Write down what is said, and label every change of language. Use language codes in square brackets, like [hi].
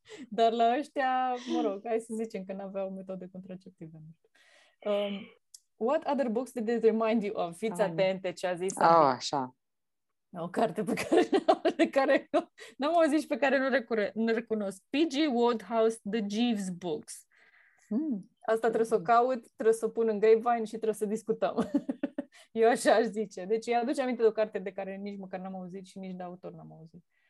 [ro] Dar la ăștia, mă rog, hai să zicem că n-aveau metode contraceptive. [en] What other books did it remind you of? [ro] Fiți atente ce a zis. Oh, așa. O carte pe care, n-am auzit și pe care nu recunosc. P.G. Wodehouse, The Jeeves Books. Asta trebuie să o caut, trebuie să o pun în grapevine și trebuie să discutăm. Eu așa aș zice. Deci îi aduce aminte de o carte de care nici măcar n-am auzit și nici de autor n-am auzit.